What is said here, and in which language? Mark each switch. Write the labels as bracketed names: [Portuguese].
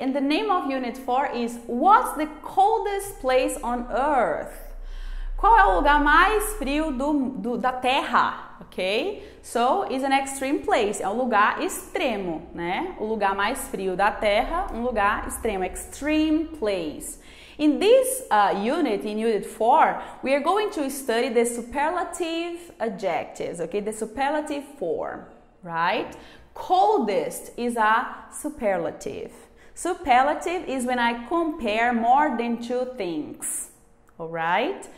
[English] And the name of unit 4 is What's the coldest place on earth? [Portuguese] Qual é o lugar mais frio da Terra? Okay? [English] So, is an extreme place. [Portuguese] É um lugar extremo, né? O lugar mais frio da Terra, um lugar extremo. [English] Extreme place. In this unit 4, we are going to study the superlative adjectives, okay? The superlative form, right? Coldest is a superlative. Superlative is when I compare more than two things, all right?